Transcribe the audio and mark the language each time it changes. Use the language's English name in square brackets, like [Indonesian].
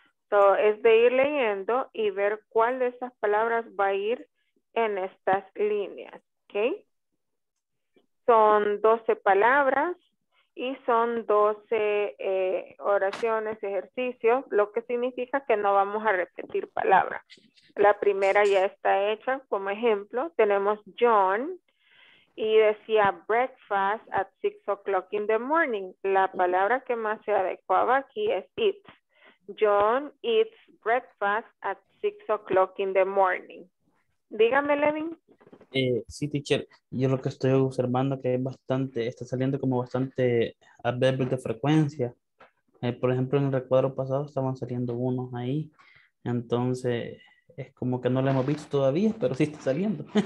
[Spanish] So, es de ir leyendo y ver cuál de esas palabras va a ir en estas líneas, ¿ok? Son 12 palabras y son 12 oraciones, ejercicios, lo que significa que no vamos a repetir palabras. La primera ya está hecha, como ejemplo, tenemos John. Y decía [English] breakfast at 6 o'clock in the morning. [Spanish] La palabra que más se adecuaba aquí es eat. [English] John eats breakfast at 6 o'clock in the morning. [Spanish] Dígame, Levin. Sí, teacher. Yo lo que estoy observando que es bastante, está saliendo como bastante adverbios de frecuencia. Por ejemplo, en el recuadro pasado estaban saliendo unos ahí. Entonces, es como que no lo hemos visto todavía, pero sí está saliendo.